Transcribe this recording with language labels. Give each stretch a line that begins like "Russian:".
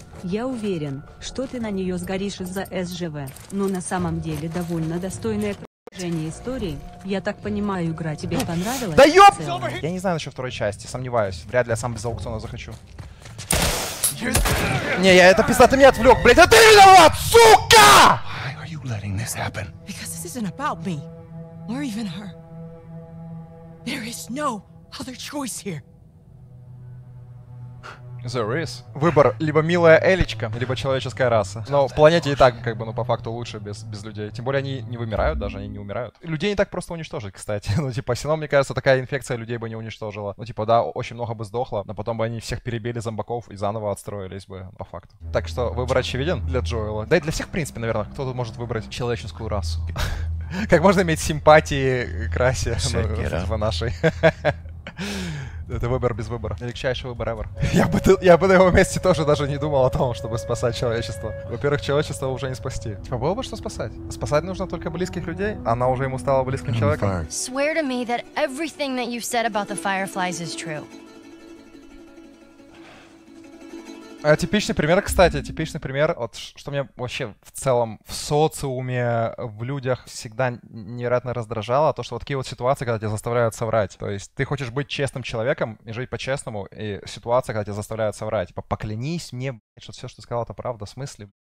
Russian: Я уверен, что ты на нее сгоришь из-за СЖВ. Но на самом деле довольно достойная продолжение истории. Я так понимаю, игра тебе понравилась? Да ёб! Я не знаю насчет 2 части, сомневаюсь. Вряд ли я сам без аукциона захочу. Не, я это пизда, ты меня отвлек, блядь, это ты виноват, сука!
English: Why are you letting this happen? Because this isn't about me. Or even her. There is no other choice here. There is.
Russian: Выбор либо милая Элечка, либо человеческая раса. Но в планете и так, как бы, ну, по факту лучше без людей. Тем более они не вымирают даже, они не умирают. Людей не так просто уничтожить, кстати. Ну, типа, сином, мне кажется, такая инфекция людей бы не уничтожила. Ну, типа, да, очень много бы сдохло, но потом бы они всех перебили зомбаков и заново отстроились бы, по факту. Так что выбор очевиден для Джоэла. Да и для всех, в принципе, наверное, кто тут может выбрать человеческую расу. Как можно иметь симпатии к расе, типа нашей? Это выбор без выбора. Легчайший выбор ever. Я бы на его месте тоже даже не думал о том, чтобы спасать человечество. Во-первых, человечество уже не спасти. А было бы что спасать? Спасать нужно только близких людей? Она уже ему стала близким человеком.
English: Swear to me that everything that you've said about the fireflies is true.
Russian: Типичный пример, кстати, типичный пример, вот что меня вообще в целом в социуме, в людях всегда невероятно раздражало, то, что вот такие вот ситуации, когда тебя заставляют соврать. То есть ты хочешь быть честным человеком и жить по-честному, и ситуация, когда тебя заставляют соврать, типа, поклянись мне, что все, что ты сказал, это правда, в смысле?